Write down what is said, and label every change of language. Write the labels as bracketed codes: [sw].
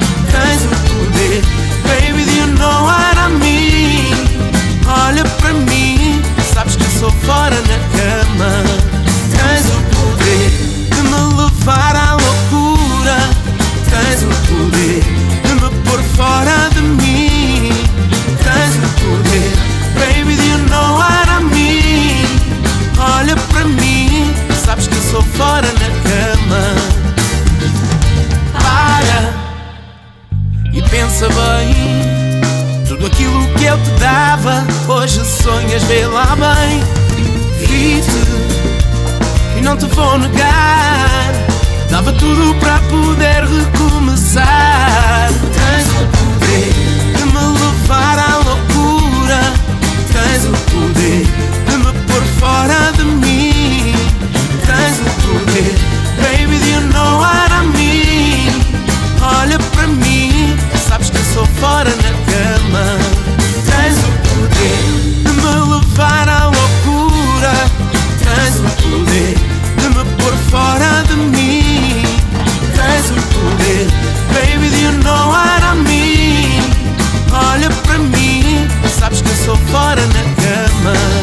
[pt] Tens o poder, baby, [en] do you know what I mean? [pt] Olha para mim, sabes que sou fora na cama. Tens o poder de me levar à loucura. Tens o poder de me pôr fora de mim. Tens o poder, baby, [en] do you know what I mean? [pt] Olha para mim, sabes que sou fora na cama. Para e pensa bem. Tudo aquilo que eu te dava, hoje sonhas, vê lá bem. Vi-te e não te vou negar, dava tudo para poder recomeçar. Tens o poder de me levar à loucura. Tens o poder de me pôr fora de mim. Tens o poder, baby, [en] do you know what I mean? [pt] Olha para mim, sabes que sou fora na cama. Tens o poder de me levar à loucura. Tens o poder de me pôr fora de mim. Tens o poder, baby, [en] do you know what I mean? [pt] Olha para mim, sabes que sou fora na cama.